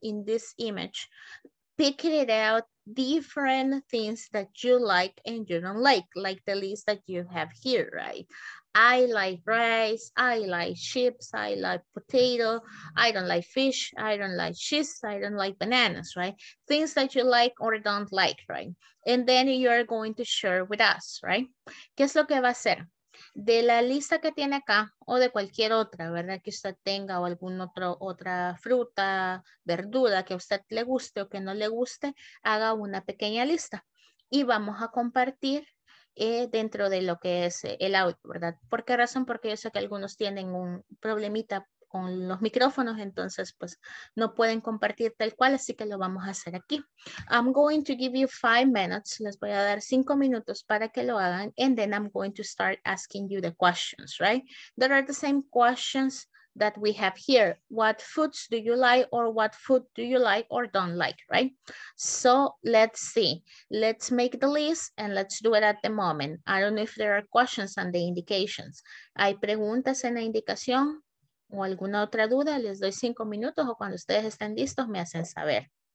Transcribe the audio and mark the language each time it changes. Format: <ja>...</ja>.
<en>In this image, pick it out. Different things that you like and you don't like the list that you have here, right? I like rice, I like chips, I like potato, I don't like fish, I don't like cheese, I don't like bananas, right? Things that you like or don't like, right? And then you're going to share with us, right?</en> <es>¿Qué es lo que va a hacer? De la lista que tiene acá o de cualquier otra, ¿verdad? Que usted tenga o algún otra fruta, verdura que a usted le guste o que no le guste, haga una pequeña lista y vamos a compartir dentro de lo que es el audio, ¿verdad? ¿Por qué razón? Porque yo sé que algunos tienen un problemita con los micrófonos, entonces pues no pueden compartir tal cual, así que lo vamos a hacer aquí.</es> <en>I'm going to give you 5 minutes,</en> <es>les voy a dar 5 minutos para que lo hagan,</es> <en>and then I'm going to start asking you the questions, right? There are the same questions that we have here. What foods do you like or what food do you like or don't like, right? So let's see. Let's make the list and let's do it at the moment. I don't know if there are questions and the indications.</en> <es>¿Hay preguntas en la indicación? ¿O alguna otra duda? Les doy 5 minutos o cuando ustedes estén listos me hacen saber.</es>